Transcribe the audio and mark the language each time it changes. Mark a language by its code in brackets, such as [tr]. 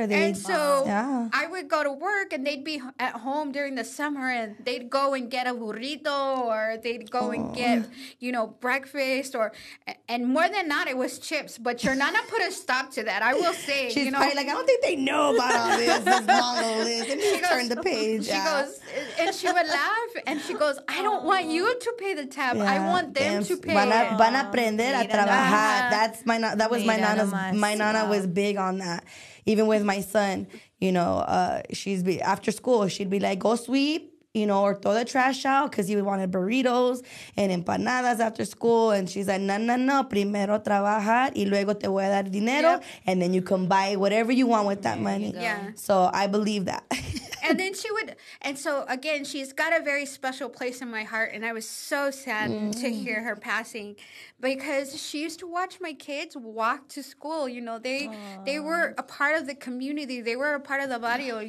[en] I would go to work and they'd be at home during the summer and they'd go and get a burrito or they'd go and get, you know, breakfast or, and more than not, it was chips. But your nana put a stop to that. I will say, she's, you know, probably like, I don't think they know about all this. This model is. And she turned the page. And she would laugh and she goes, I don't want you to pay the tab. Yeah, I want them to pay. [es] Van a aprender a trabajar. [en] My nana was big on that. Even with my son, you know, after school, she'd be like, go sweep, you know, or throw the trash out because he wanted burritos and empanadas after school. And she's like, no, [es] primero trabajar y luego te voy a dar dinero. [en] Yep. And then you can buy whatever you want with that money. Yeah. So I believe that. And then she would, and so again, she's got a very special place in my heart. And I was so sad to hear her passing because she used to watch my kids walk to school. You know, they were a part of the community. They were a part of the barrio. Yeah.